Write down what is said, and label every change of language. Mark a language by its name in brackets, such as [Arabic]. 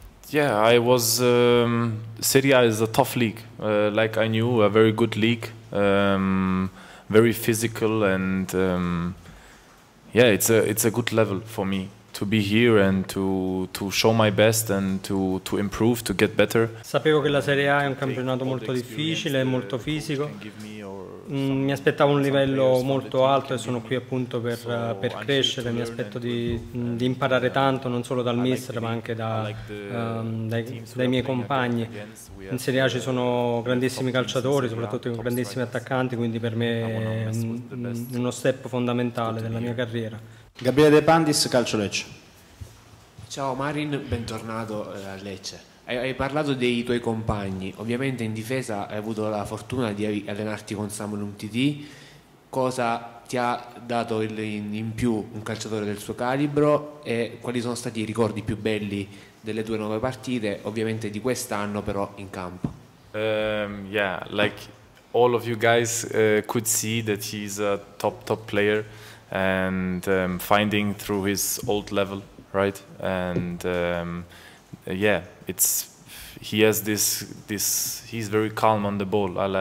[English] Yeah, I was Serie A is a tough league, like I knew, a very good league, very physical, and yeah, it's a good level for me to be here and to show my best and to improve, to get better. [Italian] Sapevo che la Serie A è un campionato molto difficile, molto fisico. Mi aspettavo un livello molto alto e sono qui appunto per crescere. Mi aspetto di imparare tanto, non solo dal mister ma anche dai miei compagni. In Serie A ci sono grandissimi calciatori, soprattutto grandissimi attaccanti, quindi per me è uno step fondamentale della mia carriera. Gabriele De Pandis, Calcio Lecce. Ciao Marin, bentornato a Lecce. Hai parlato dei tuoi compagni, ovviamente in difesa hai avuto la fortuna di allenarti con Samuel Umtiti. Cosa ti ha dato in più un calciatore del suo calibro e quali sono stati i ricordi più belli delle tue 9 partite, ovviamente di quest'anno però in campo? [English] Yeah, like all of you guys could see that he's a top player and finding through his old level, right? And yeah, he has this he's very calm on the ball.